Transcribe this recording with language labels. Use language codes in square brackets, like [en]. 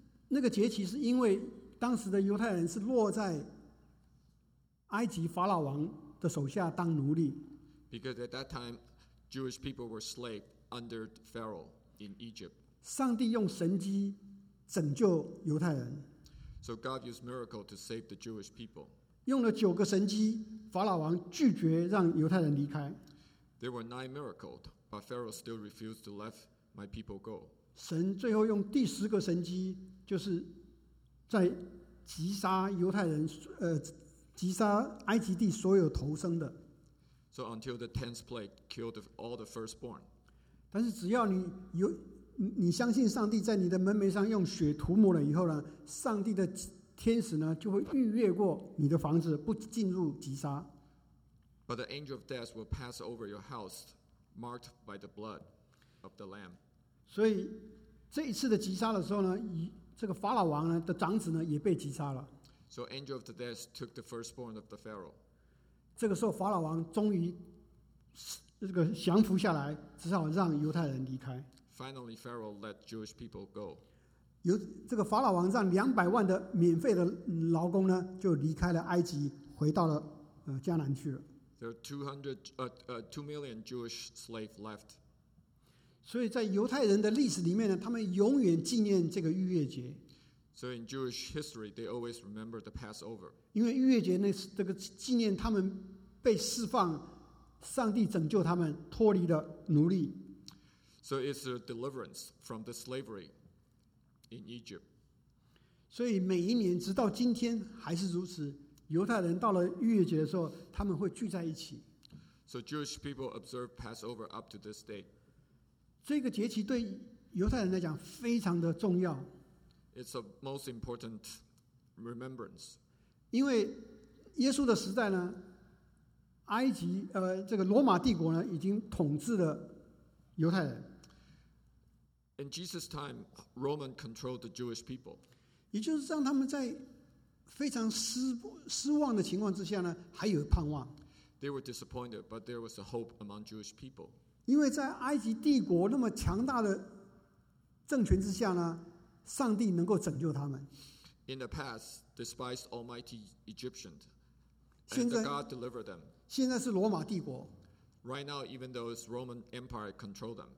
[zh] 那个节期是因为当时的犹太人是落在埃及法老王的手下当奴隶。 [en] Because at that time, Jewish people were slaves. Under Pharaoh in Egypt, [zh] 上帝用神迹拯救犹太人。 [en] So God used miracle to save the Jewish people. [zh] 用了九个神迹，法老王拒绝让犹太人离开。 [en] There were 9 miracles, but Pharaoh still refused to let my people go. [zh] 神最后用第十个神迹，就是在击杀犹太人，击杀埃及地所有投生的。 [en] So until the 10th plague killed all the firstborn. [zh] 但是只要你相信上帝在你的门楣上用血涂抹了以后呢，上帝的天使呢就会逾越过你的房子，不进入击杀。 [en] But the angel of death will pass over your house, marked by the blood of the lamb. [zh] 所以这一次的击杀的时候呢，这个法老王呢的长子呢也被击杀了。 [en] So angel of the death took the firstborn of the Pharaoh. [zh] 这个时候法老王终于。这个降服下来，只好让犹太人离开。 [en] Finally, Pharaoh let Jewish people go. [zh] 这个法老王让200万的免费的劳工呢，就离开了埃及，回到了迦南去了。 [en] There are 2 million Jewish slaves left. [zh] 所以在犹太人的历史里面呢，他们永远纪念这个逾越节。 [en] So in Jewish history, they always remember the Passover. [zh] 因为逾越节那这个纪念他们被释放。上帝拯救他们脱离了奴隶。 [en] So it's a deliverance from the slavery in Egypt. [zh] 所以每一年直到今天还是如此，犹太人到了逾越节的时候，他们会聚在一起。 [en] So Jewish people observe Passover up to this day. [zh] 这个节期对犹太人来讲非常的重要。 [en] It's a most important remembrance. [zh] 因为耶稣的时代呢，埃及这个罗马帝国呢已经统治了犹太人。 [en] In Jesus' time, Roman controlled the Jewish people. [zh] 也就是让他们在非常失望的情况之下呢，还有盼望。 [en] They were disappointed, but there was a hope among Jewish people. [zh] 因为在埃及帝国那么强大的政权之下呢，上帝能够拯救他们。 [en] In the past, despised Almighty Egyptians, and the God delivered them. [zh] 现在是罗马帝国。 [en] Right now, even though it's Roman Empire control them.